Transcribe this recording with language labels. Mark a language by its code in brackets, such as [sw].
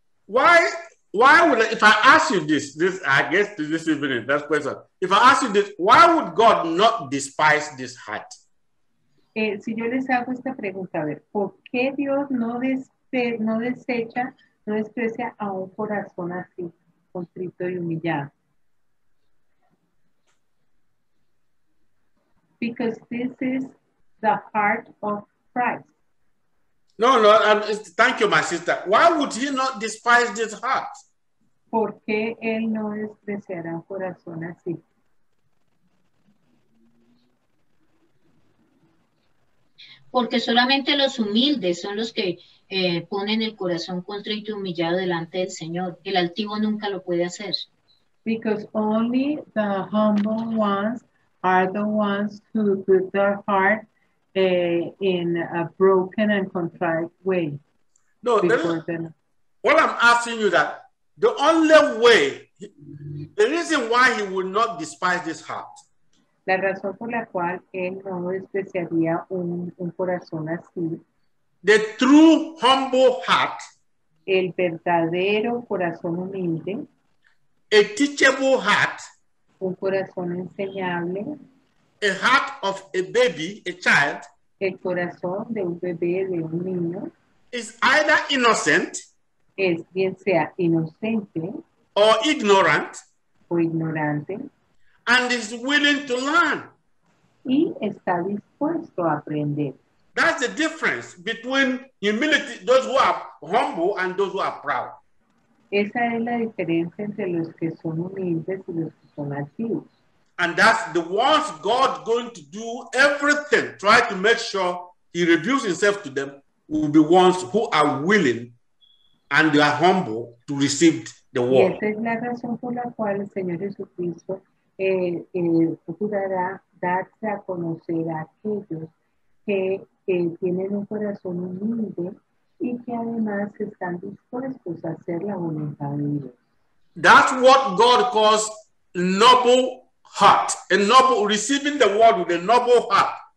[en] Why would if I ask you this I guess this evening, that question. If I ask you this, why would God not despise this heart? [es] Si yo les hago esta pregunta, a ver, ¿por qué Dios no desprecia a un corazón así, contrito y humillado? [en] Because this is the heart of Christ. No, thank you, my sister. Why would he not despise this heart? [es] ¿Por qué él no despreciará un corazón así? Porque solamente los humildes son los que ponen el corazón contrito y humillado delante del Señor. El altivo nunca lo puede hacer. [en] Because only the humble ones are the ones who put their heart in a broken and contrite way. No, what I'm asking you that, the only way, the reason why he would not despise this heart. [es] La razón por la cual él no despreciaría un corazón así. [en] The true humble heart. [es] El verdadero corazón humilde. [en] A teachable heart. [es] Un corazón enseñable. [en] A heart of a baby, a child. [es] El corazón de un bebé, de un niño. [en] Is either innocent. [es] Es bien sea inocente. [en] Or ignorant. [es] O ignorante. [en] And is willing to learn. [es] Y está dispuesto a aprender. [en] That's the difference between humility, those who are humble, and those who are proud. [es] Esa es la diferencia entre los que son humildes y los que son altivos. [en] And that's the ones God going to do everything, try to make sure he reveals himself to them, will be ones who are willing and they are humble to receive the word. [es] Y esa es la razón por la cual el Señor Jesucristo procurará darse a conocer a aquellos que tienen un corazón humilde y que además están dispuestos a hacer la voluntad de Dios. [en] That's what God calls noble heart. A noble, receiving the word with a noble heart.